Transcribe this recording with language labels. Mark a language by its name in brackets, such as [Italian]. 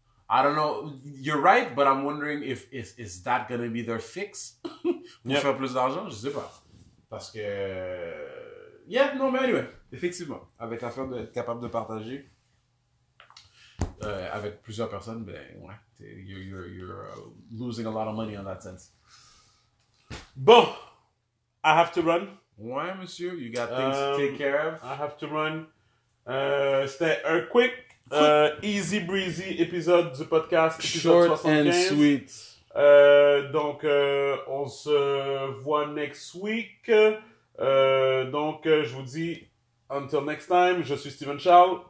[English] I don't know. You're right, but I'm wondering if is that gonna be their fix pour yep. [French] faire plus d'argent. Je sais pas. Parce que... Yeah, non, mais anyway. Effectivement. Avec l'affaire d'être capable de partager avec plusieurs personnes, ben ouais. [English] You're losing a lot of money in that sense. Bon, I have to run. Ouais, monsieur, you got things to take care of. I have to run. [French] C'était un [English] quick, easy breezy [French] épisode du podcast. [English] Short 75. And sweet. [French] Donc, on se voit [English] next week. [French] Je vous dis, [English] until next time, [French] je suis Steven Charles.